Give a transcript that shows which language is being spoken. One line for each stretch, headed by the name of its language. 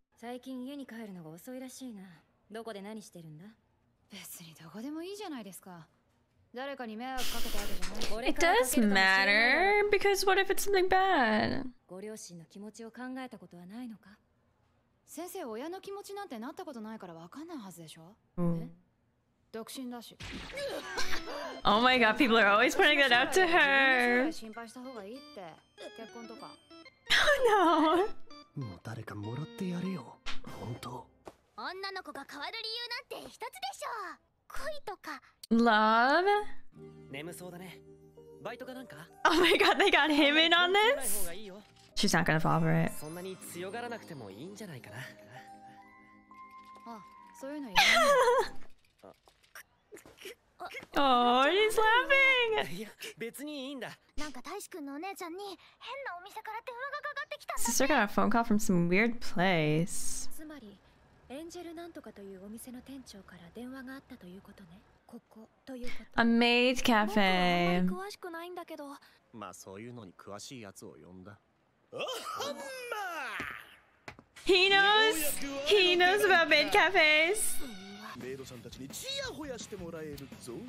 Japanese: 最近家に帰るのが遅いらしいな。どこで何してるんだ？別にどこでもいいじゃないですか。誰かに迷惑かけてあげるじゃない。
English: It does matter because what if it's something bad?
Japanese: ご両親の気持ちを考えたことはないのか？先生、親の気持ちなんてなったことないからわかんないはずでしょ？独身だし。
English: Oh my god, people are always pointing that out to her.
Japanese: 心配した方がいいって。結婚とか。
English: No。
Japanese: もう誰かもらってやれよ。本当。女の子が変わる理由なんて一つでしょう。恋とか。
English: Love。
Japanese: 眠そうだね。バイトかなんか。
English: Oh my god, they got him in on this. She's not gonna fall for it.
Japanese: そんなに強がらなくてもいいんじゃないかな。あ、そういうのい
English: い。Oh, he's laughing.
Japanese: いや、別にいいんだ。なんか大志くんのお姉ちゃんに変なお店から電話がかかってきたんだね。
English: Sister got a phone call from some weird place.
Japanese: つまり。エンジェルなんとかというお店の店長から電話があったということね。ここということ。
English: A maid cafe。
Japanese: 詳しくないんだけど。まあそういうのに詳しいやつを呼んだ。まあ、
English: He knows。 He knows about maid cafes。
Japanese: メイドさんたちにチヤホヤしてもらえるぞ。